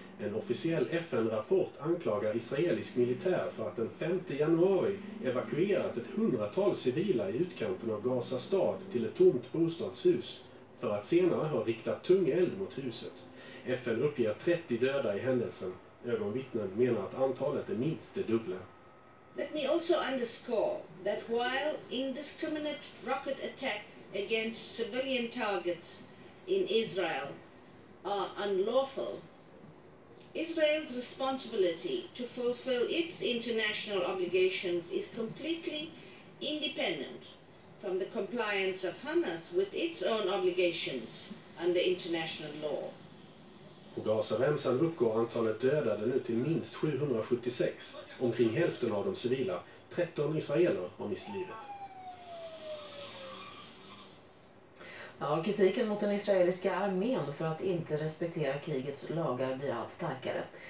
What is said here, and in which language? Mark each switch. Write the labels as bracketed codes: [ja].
[sv] En officiell FN-rapport anklagar israelisk militär för att den 5 januari evakuerat ett 100-tal civila i utkanten av Gaza stad till ett tomt bostadshus för att senare ha riktat tung eld mot huset. FN uppger 30 döda i händelsen. Ögonvittnen menar att antalet är minst det dubbla. [en] Let me also underscore that while indiscriminate rocket attacks against civilian targets in Israel are unlawful, Israel's responsibility to fulfill its international obligations is completely independent from the compliance of Hamas with its own obligations under international law. [sv] På Gaza-remsan uppgår antalet dödade nu till minst 776, omkring hälften av de civila. 13 israeler har mist livet. Ja, kritiken mot den israeliska armén för att inte respektera krigets lagar blir allt starkare.